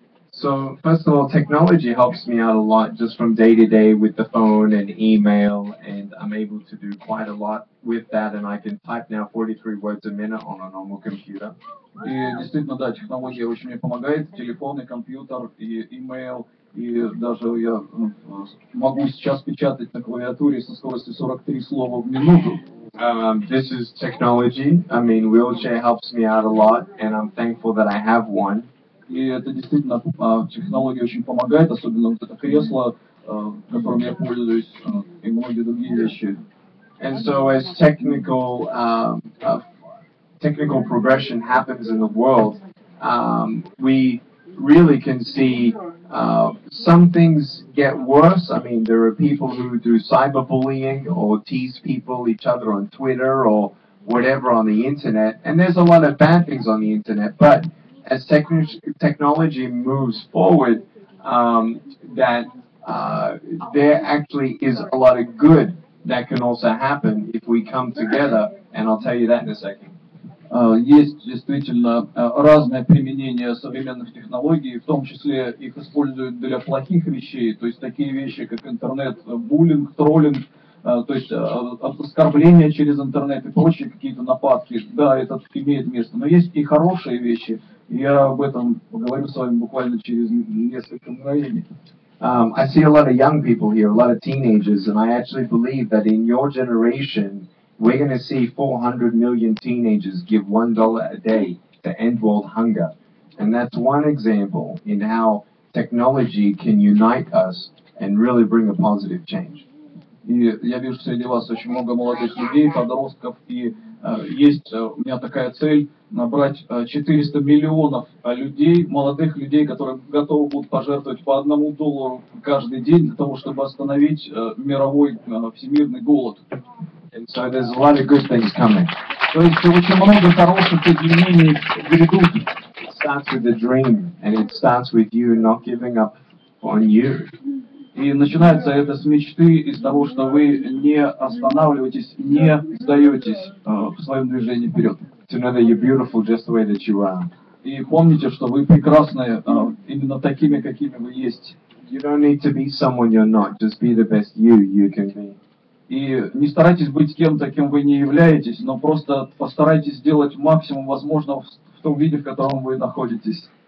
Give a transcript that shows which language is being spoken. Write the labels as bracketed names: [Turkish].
[English] So, first of all, technology helps me out a lot just from day to day with the phone and email, and I'm able to do quite a lot with that, and I can type now 43 words a minute on a normal computer. [Russian] И действительно, да, технология очень мне помогает, телефон и компьютер, и email, и даже я могу сейчас печатать на клавиатуре со скоростью 43 слова в минуту. [English] This is technology. I mean, wheelchair helps me out a lot, and I'm thankful that I have one. [Russian] И это действительно технология очень помогает, особенно вот это кресло, которым я пользуюсь, и многие другие вещи. [English] And so as technical progression happens in the world, we really can see some things get worse. I mean, there are people who do cyberbullying or tease people each other on Twitter or whatever on the internet, and there's a lot of bad things on the internet, but as technology moves forward, that there actually is a lot of good that can also happen if we come together, and I'll tell you that in a second. [Russian] Есть действительно разное применение современных технологий, в том числе их используют для плохих вещей, то есть такие вещи, как интернет, буллинг, троллинг, то есть оскорбления через интернет и прочие какие-то нападки, да, это имеет место, но есть и хорошие вещи, Я об этом поговорю с вами буквально через несколько мгновений. [English] I see a lot of young people here, a lot of teenagers, and I actually believe that in your generation, we're going to see 400 million teenagers give $1 a day to end world hunger. And that's one example in how technology can unite us and really bring a positive change. [Russian] И я вижу среди вас очень много молодых людей, подростков, и есть у меня такая цель набрать 400 миллионов людей, молодых людей, которые готовы будут пожертвовать по одному доллару каждый день для того, чтобы остановить мировой всемирный голод. [English] So there's a lot of good things coming. [Russian] То есть очень много хороших изменений грядут. [English] It starts with a dream, and it starts with you not giving up on you. [Russian] И начинается это с мечты, из того, что вы не останавливаетесь, не сдаетесь в своем движении вперед. [English] To know that you're beautiful just the way that you are. [Russian] И помните, что вы прекрасны именно такими, какими вы есть. [English] You don't need to be someone you're not, just be the best you you can be. [Russian] И не старайтесь быть кем-то, кем вы не являетесь, но просто постарайтесь сделать максимум возможного в том виде, в котором вы находитесь.